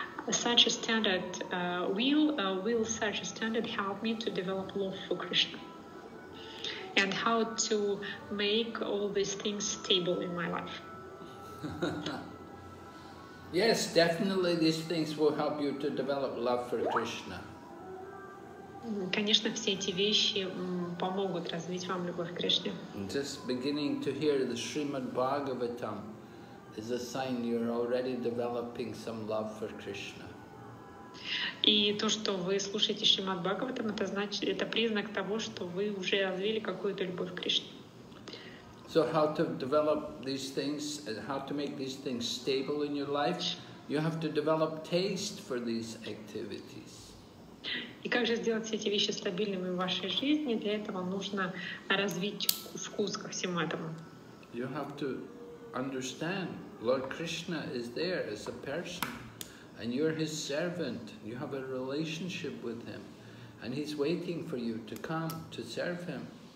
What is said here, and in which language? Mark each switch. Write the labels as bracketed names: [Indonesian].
[English] Such a standard will such a standard help me to develop love for Krishna and how to make all these things stable in my life? Yes, definitely these things will help you to develop love for Krishna. [Russian] Конечно, все эти вещи помогут развить вам любовь к Кришне. [English] Just beginning to hear the Srimad Bhagavatam is a sign you're already developing some love for Krishna. [Russian] И то, что вы слушаете Шримад Бхагаватам, это значит, это признак того, что вы уже развили какую-то любовь к Кришне. [English] So how to develop these things, how to make these things stable in your life? You have to develop taste for these activities. [Russian] И как же сделать все эти вещи стабильными в вашей жизни? Для этого нужно развить вкус ко всему этому. [English] You have to understand Lord Krishna is there as a person. And you're his servant, you have a relationship with him, and he's waiting for you to come to serve him.